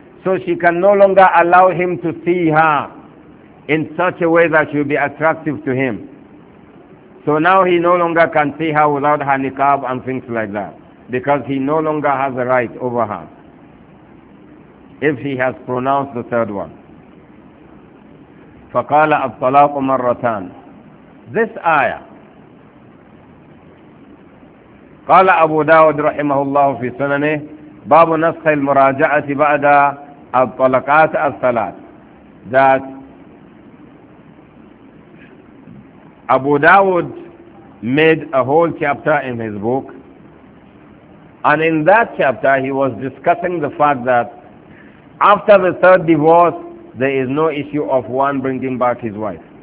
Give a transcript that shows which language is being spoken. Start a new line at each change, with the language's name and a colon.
English: So she can no longer allow him to see her in such a way that she will be attractive to him. So now he no longer can see her without her niqab and things like that, because he no longer has a right over her if he has pronounced the third one.
Arabic: فَقَالَ الطَّلَاقُ مَرَّتَانِ,
English: this ayah.
Arabic: قَالَ أَبُو دَاوُدَ رَحِمَهُ اللَّهُ فِي سُنَنِهِ بَابُ نَسْخِ الْمُرَاجَعَةِ بَعْدَ الطَّلَقَاتِ الثَّلَاثِ,
English: that Abu Dawud made a whole chapter in his book, and in that chapter he was discussing the fact that after the third divorce, there is no issue of one bringing back his wife.